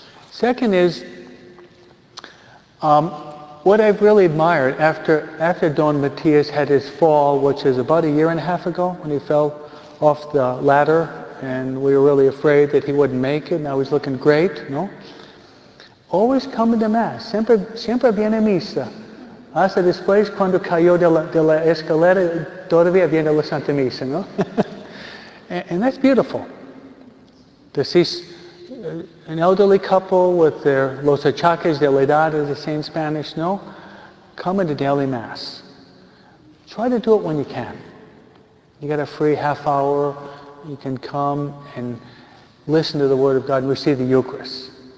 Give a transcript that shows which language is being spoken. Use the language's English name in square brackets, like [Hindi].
[English] Second is, what I've really admired, after Don Matthias had his fall, which is about a year and a half ago, when he fell off the ladder, and we were really afraid that he wouldn't make it, now he's looking great, no? Always coming to Mass. [Spanish] Siempre viene Misa. Hasta después cuando cayó de la escalera, todavía viene la Santa Misa, no? [English] And that's beautiful. To see an elderly couple with their [Spanish] los achaques de la edad, [English] as they say in Spanish, no? Coming to daily Mass. Try to do it when you can. You got a free half hour, you can come and listen to the Word of God and receive the Eucharist.